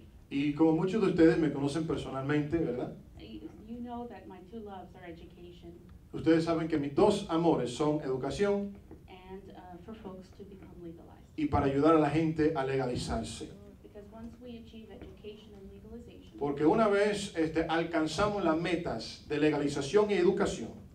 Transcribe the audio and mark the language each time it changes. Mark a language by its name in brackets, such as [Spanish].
[Spanish] Y como muchos de ustedes me conocen personalmente, ¿verdad? [English] You know that my two loves are education. [Spanish] Ustedes saben que mis dos amores son educación [English] and, for folks to become legalized. [Spanish] Y para ayudar a la gente a legalizarse. [English] Because once we achieve education and legalization, [Spanish] porque una vez alcanzamos las metas de legalización y educación,